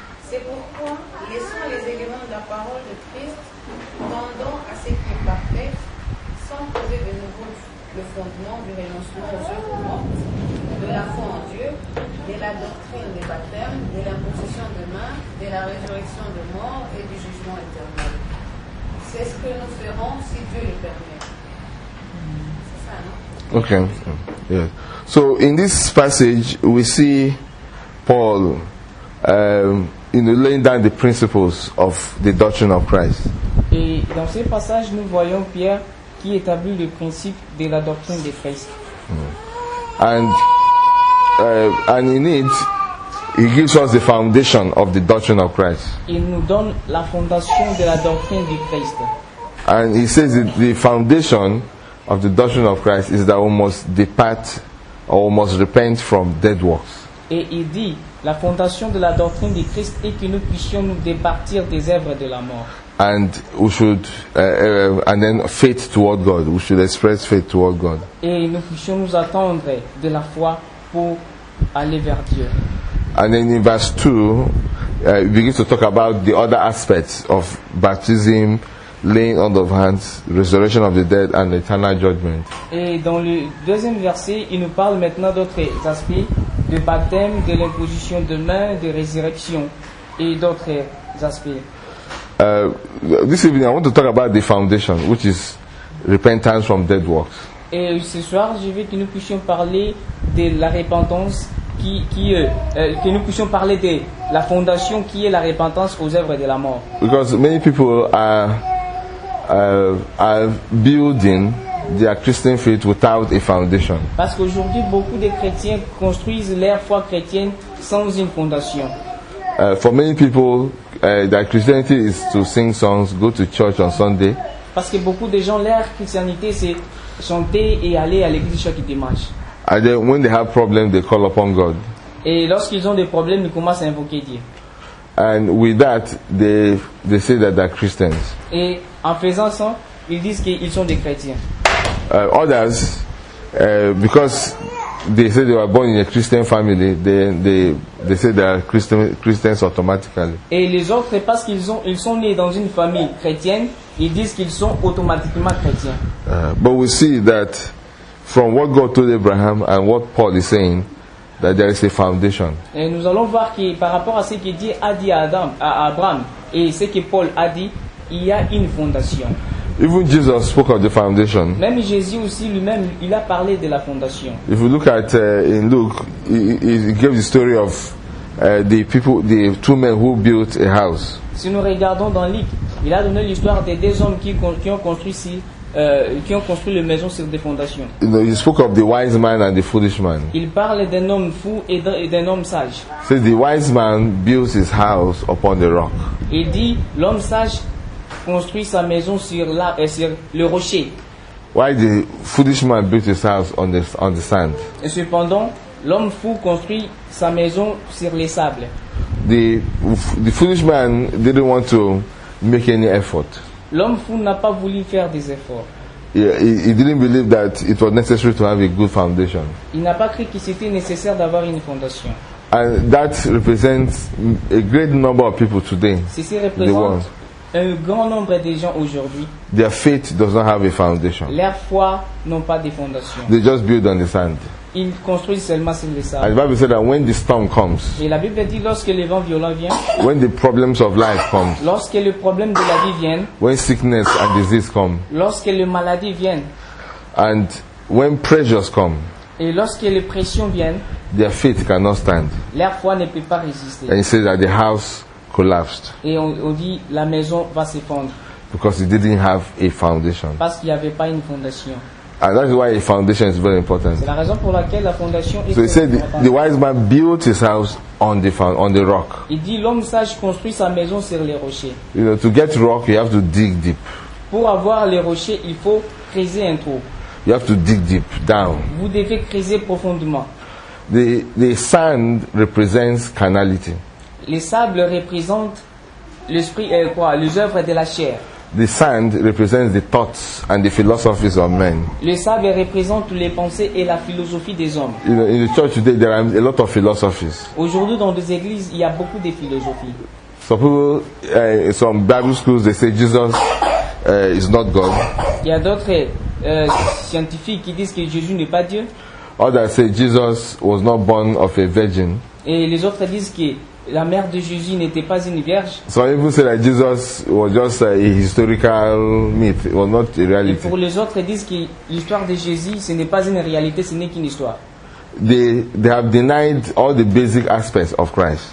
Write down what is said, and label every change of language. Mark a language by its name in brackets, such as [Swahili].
[French] C'est pourquoi, laissant les éléments de la parole de Christ, tendant à ce qui est parfait, sans poser de nouveau le fondement du renoncement aux œuvres mortes, de la foi en Dieu, de la doctrine des baptêmes, de l'imposition des mains, de la résurrection des morts et du jugement éternel. C'est ce que nous ferons si Dieu le permet. [English] Okay. Yeah. So in this passage, we see Paul, laying down the principles of the doctrine of Christ. [French] Et dans ce passage, nous voyons Pierre qui établit le principe de la doctrine de Christ. [English] And in it, he gives us the foundation of the doctrine of Christ. [French] Il nous donne la fondation de la doctrine de Christ. [English] And he says that the foundation of the doctrine of Christ is that we must depart or we must repent from dead works. [French] Et il dit la fondation de la doctrine de Christ est que nous puissions nous départir des œuvres de la mort. [English] And we should and then faith toward God. We should express faith toward God. [French] Et nous puissions nous attendre de la foi pour aller vers Dieu. [English] And then in verse 2 he begins to talk about the other aspects of baptism, laying on of hands, resurrection of the dead, and eternal judgment. [French] Et dans le deuxième verset, il nous parle maintenant d'autres aspects de baptême, de l'imposition de mains, de résurrection et d'autres aspects. [English] This evening, I want to talk about the foundation, which is repentance from dead works. [French] Et ce soir, je veux que nous puissions parler de la repentance, que nous puissions parler de la fondation qui est la repentance aux œuvres de la mort. [English] Because many people are building their Christian faith without a foundation. [French] Parce qu'aujourd'hui, beaucoup de chrétiens construisent leur foi chrétienne sans une fondation. [English] For many people, their Christianity is to sing songs, go to church on Sunday. [French] Parce que beaucoup de gens, leur chrétienté, c'est chanter et aller à l'église chaque dimanche. [English] And then when they have problems, they call upon God. [French] Et lorsqu'ils ont des problèmes, ils commencent à invoquer Dieu. [English] And with that, they say that they're Christians. [French] Et en faisant ça, ils disent qu'ils sont des chrétiens. [English] Others, because they say they were born in a Christian family, they say they are Christians automatically. [French] Et les autres, parce qu'ils ont, ils sont nés dans une famille chrétienne, ils disent qu'ils sont automatiquement chrétiens. [English] But we see that from what God told Abraham and what Paul is saying, that there is a foundation. [French] Et nous allons voir que par rapport à ce que Dieu a dit à Abraham et ce que Paul a dit, il y a une fondation. [English] Even Jesus spoke of the foundation. [French] Même Jésus aussi lui-même, il a parlé de la fondation. [English] If you look at in Luke, he gave the story of the people, the two men who built a house. [French] Si nous regardons dans Luc, il a donné l'histoire des deux hommes qui ont construit ici. Qui ont construit les maisons sur des fondations. [English] You know, he spoke of the wise man and the foolish man. [French] Il parle d'un homme fou et d'un homme sage. [English] So the wise man builds his house upon the rock. [French] Il dit l'homme sage construit sa maison sur la sur le rocher. [English] Why the foolish man built his house on the sand? [French] Et cependant, l'homme fou construit sa maison sur les sables. [English] The foolish man didn't want to make any effort. [French] L'homme fou n'a pas voulu faire des efforts. [English] He didn't believe that it was necessary to have a good foundation. [French] Il n'a pas cru que c'était nécessaire d'avoir une fondation. [English] And that represents a great number of people today. [French] Ceci représente un grand nombre de gens aujourd'hui. [English] Their faith does not have a foundation. [French] Leur foi n'ont pas de fondation. [English] They just build on the sand. [French] Ils construisent seulement sur le sable. [English] And the Bible said that when the storm comes. [French] Et la Bible dit lorsque le vent violent vient. [English] When the problems of life come. [French] Lorsque les problèmes de la vie viennent. [English] When sickness and disease come. [French] Lorsque les maladies viennent. [English] And when pressures come. [French] Et lorsque les pressions viennent. [English] Their faith cannot stand. [French] Leur foi ne peut pas résister. [English] And he said that the house collapsed. [French] Et on dit la maison va s'effondrer. [English] Because it didn't have a foundation. [French] Parce qu'il n'y avait pas une fondation. [English] And that is why a foundation is very important. [French] C'est la raison pour laquelle la fondation est [English] so he said the wise man built his house on the rock. [French] Il dit l'homme sage construit sa maison sur les rochers. [English] You know, to get rock, you have to dig deep. [French] Pour avoir les rochers, il faut creuser un trou. [English] You have to dig deep down. [French] Vous devez creuser profondément. [English] The sand represents carnality. [French] Le sable représente l'esprit et quoi, les œuvres de la chair. [English] The sand represents the thoughts and the philosophies of men. [French] Le sable représente les pensées et la philosophie des hommes. [English] You know, in the church today, there are a lot of philosophies. [French] Aujourd'hui, dans les églises, il y a beaucoup de philosophies. [English] Some people, some Bible schools, they say Jesus is not God. [French] Il y a d'autres scientifiques qui disent que Jésus n'est pas Dieu. [English] Others say Jesus was not born of a virgin. [French] Et les autres disent que la mère de Jésus n'était pas une vierge. [English] So if you say that Jesus was just a historical myth, it was not a reality. [French] Et pour les autres, ils disent que l'histoire de Jésus, ce n'est pas une réalité, ce n'est qu'une histoire. [English] They have denied all the basic aspects of Christ.